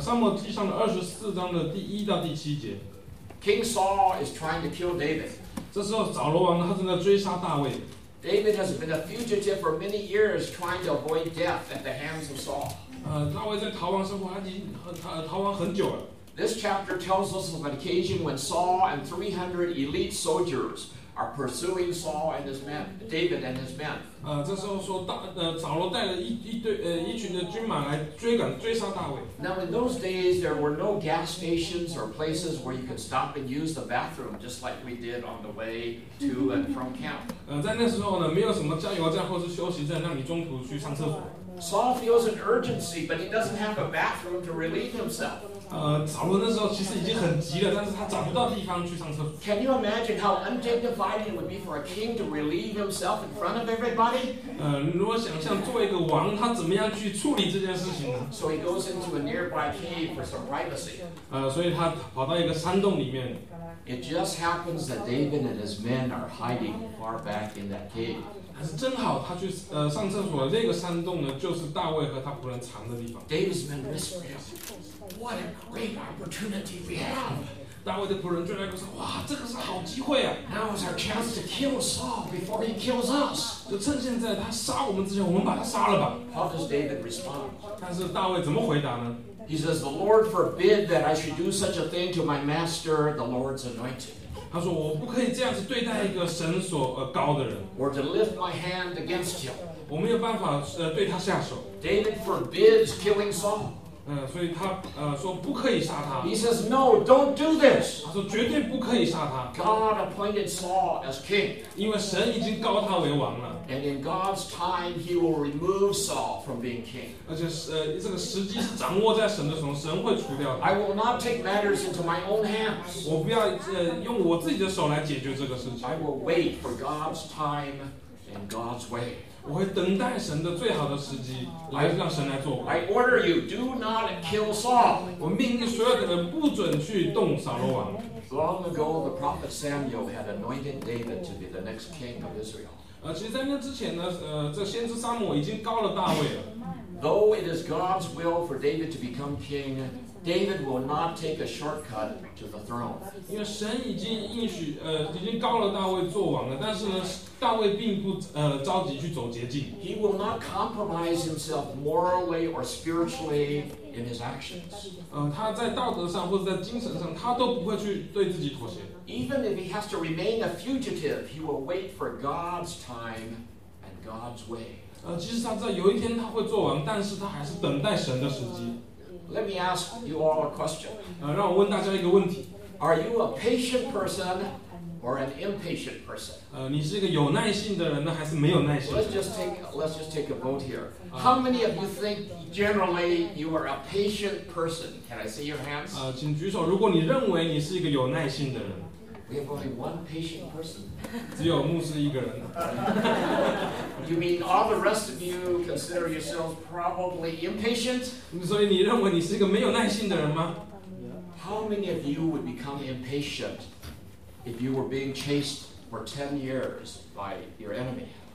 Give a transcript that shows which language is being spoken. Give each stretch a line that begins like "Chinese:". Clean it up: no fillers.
Chinese: 撒母耳记上的24章的第1到第7节。
English: King Saul is trying to kill David.
Chinese: 这时候扫罗王他正在追杀大卫。
English: David has been a fugitive for many years, trying to avoid death at the hands of Saul.
Chinese: 大卫在逃亡生活，他已经逃亡很久了。
English: This chapter tells us of an occasion when Saul and 300 elite soldiers are pursuing Saul and his men, David and his men.
Chinese: 这时候说，扫罗带了一群的军马来追赶追杀大卫。
English: Now in those days, there were no gas stations or places where you could stop and use the bathroom, just like we did on the way to and from camp.
Chinese: 在那时候呢，没有什么加油站或是休息站让你中途去上厕所。
English: Saul feels an urgency, but he doesn't have a bathroom to relieve himself.
Chinese: 扫罗那时候其实已经很急了，但是他找不到地方去上厕所。
English: Can you imagine how undignified it would be for a king to relieve himself in front of everybody?
Chinese: 如果想象作为一个王，他怎么样去处理这件事情呢？
English: So he goes into a nearby cave for some privacy.
Chinese: 所以他跑到一个山洞里面。
English: It just happens that David and his men are hiding far back in that cave.
Chinese: 还是正好他去上厕所那个山洞呢，就是大卫和他仆人藏的地方。
English: David's men whispered, "What a great opportunity we have!"
Chinese: 大卫的仆人就在那说，哇，这个是好机会啊
English: ！Now is our chance to kill Saul before he kills us.
Chinese: 就趁现在他杀我们之前，我们把他杀了吧。
English: How does David respond?
Chinese: 但是大卫怎么回答呢？
English: He says, "The Lord forbid that I should do such a thing to my master, the Lord's anointed."
Chinese: 他说，我不可以这样子对待一个神所高的人。
English: Or to lift my hand against him.
Chinese: 我没有办法对他下手。
English: David forbids killing Saul.
Chinese: 所以他说不可以杀他。
English: He says, "No, don't do this."
Chinese: 他说绝对不可以杀他。
English: God appointed Saul as king.
Chinese: 因为神已经高他为王了。
English: And in God's time, He will remove Saul from being king.
Chinese: 而且这个时机是掌握在神的手中，神会除掉他。
English: I will not take matters into my own hands.
Chinese: 我不要用我自己的手来解决这个事情。
English: I will wait for God's time and God's way.
Chinese: 我会等待神的最好的时机，来让神来做。
English: I order you, do not kill Saul.
Chinese: 我命令所有的人不准去动扫罗王。
English: Long ago, the prophet Samuel had anointed David to be the next king of Israel.
Chinese: 其实在那之前呢，这先知撒母已经告了大卫了。
English: Though it is God's will for David to become king, David will not take a shortcut to the throne.
Chinese: 因为神已经应许，已经告了大卫做王了，但是呢，大卫并不着急去走捷径。
English: He will not compromise himself morally or spiritually in his actions.
Chinese: 他在道德上或者在精神上，他都不会去对自己妥协。
English: Even if he has to remain a fugitive, he will wait for God's time and God's way.
Chinese: 即使他知道有一天他会做王，但是他还是等待神的时机。
English: Let me ask you all a question.
Chinese: 让我问大家一个问题。
English: Are you a patient person or an impatient person?
Chinese: 你是一个有耐心的人呢，还是没有耐心的人？
English: Let's just take a vote here. How many of you think generally you are a patient person? Can I see your hands?
Chinese: 请举手，如果你认为你是一个有耐心的人。
English: We have only one patient person.
Chinese: 只有牧师一个人。
English: You mean all the rest of you consider yourselves probably impatient?
Chinese: 所以你认为你是一个没有耐心的人吗？
English: How many of you would become impatient if you were being chased for 10 years by your enemy?